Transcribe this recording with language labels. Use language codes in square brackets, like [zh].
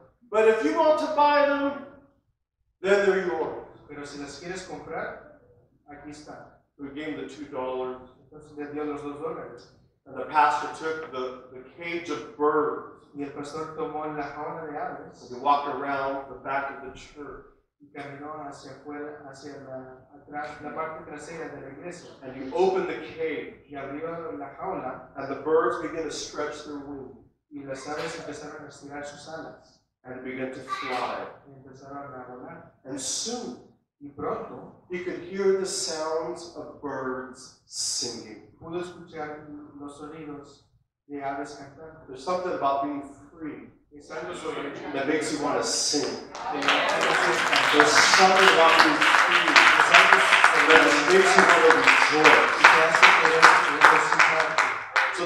[en] But if you want to buy them, then they're yours. [es] Pero si las quieres comprar, aquí está. [en] We gave the $2. [es] Entonces le dio los $2. [en] And the pastor took the cage of birds. [es] Y el pastor tomó la jaula de aves. [en] And he walked around the back of the church. [es] Y caminó hacia afuera, hacia la parte trasera de la iglesia. [en] And he opened the cage. [es] Y abrió la jaula. [en] And the birds began to stretch their wings. [es] Y las aves empezaron a estirar sus alas. [en] And began to fly. [es] Y empezaron a volar. [en] And soon, [es] y pronto, [en] he could hear the sounds of birds singing. [es] Pudo escuchar los sonidos de aves cantando. [en] There's something about being free that makes you want to sing. There's something about being free that makes you want to rejoice.